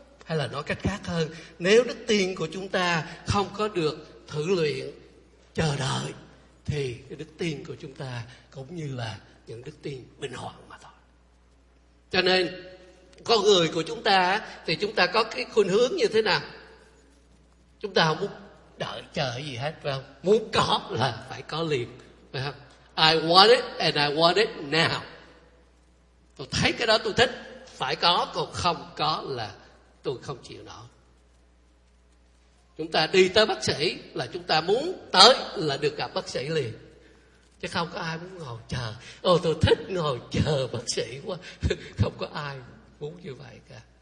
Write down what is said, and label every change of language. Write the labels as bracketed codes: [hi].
[vi] Hay là nói cách khác hơn, nếu đức tin của chúng ta không có được thử luyện, chờ đợi, thì cái đức tin của chúng ta cũng như là những đức tin bệnh hoạn mà thôi. Cho nên con người của chúng ta thì chúng ta có cái khuynh hướng như thế nào? Chúng ta không muốn đợi chờ gì hết, phải không? Muốn có là phải có liền, phải không? [en] I want it and I want it now. [vi] Tôi thấy cái đó tôi thích, phải có, còn không có là tôi không chịu nổi. Chúng ta đi tới bác sĩ là chúng ta muốn tới là được gặp bác sĩ liền, chứ không có ai muốn ngồi chờ. Ồ, tôi thích ngồi chờ bác sĩ quá. Không có ai muốn như vậy cả.